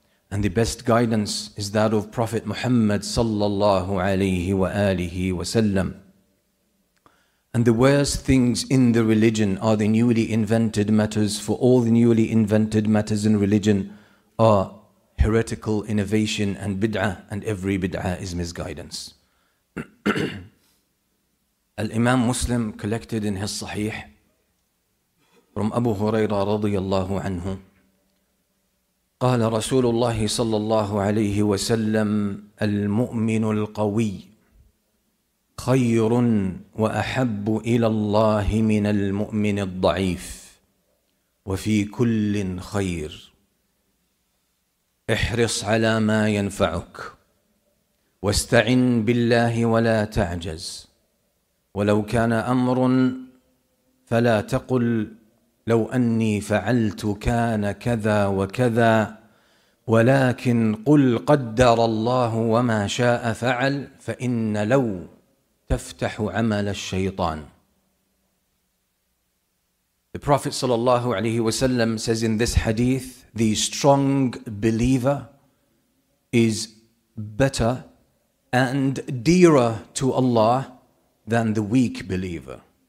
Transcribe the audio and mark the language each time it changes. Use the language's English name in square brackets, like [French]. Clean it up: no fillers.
[English] And the best guidance is that of Prophet Muhammad sallallahu alayhi wa alihi wa sallam. And the worst things in the religion are the newly invented matters, for all the newly invented matters in religion are heretical innovation and bid'ah, and every bid'ah is misguidance. Al-Imam Muslim collected in his Sahih from Abu Hurairah radiyallahu anhu, [Arabic] قال رسول الله صلى الله عليه وسلم المؤمن القوي خير وأحب إلى الله من المؤمن الضعيف وفي كل خير احرص على ما ينفعك واستعن بالله ولا تعجز ولو كان أمر فلا تقل لو أني فعلت كان كذا وكذا ولكن قل قدر الله وما شاء فعل فإن لو تفتح عمل الشيطان. [English] The Prophet sallallahu alaihi wasallam says in this hadith, the strong believer is better and dearer to Allah than the weak believer.